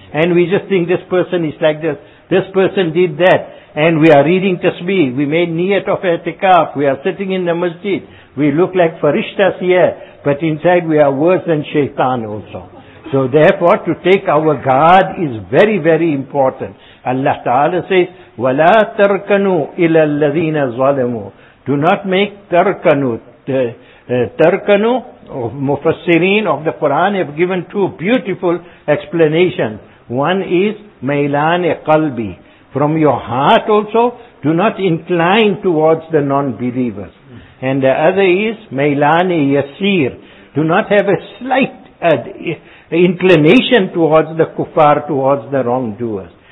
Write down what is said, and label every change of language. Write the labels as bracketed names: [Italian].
[English] And we just think this person is like this. This person did that, and we are reading tasbih, we made niyat of i'tikaf, we are sitting in the masjid, we look like farishtas here, but inside we are worse than shaitan also. So therefore, to take our guard is very, very important. Allah Ta'ala says, [Arabic] وَلَا تَرْكَنُوا إِلَى الَّذِينَ ظَلَمُوا. [English] Do not make tarkanu. Tarkanu, of Mufassirin of the Quran, have given two beautiful explanations. One is Mailani Qalbi. From your heart also, do not incline towards the non-believers. And the other is Mailani Yaseer. Do not have a slight inclination towards the kuffar, towards the wrongdoers.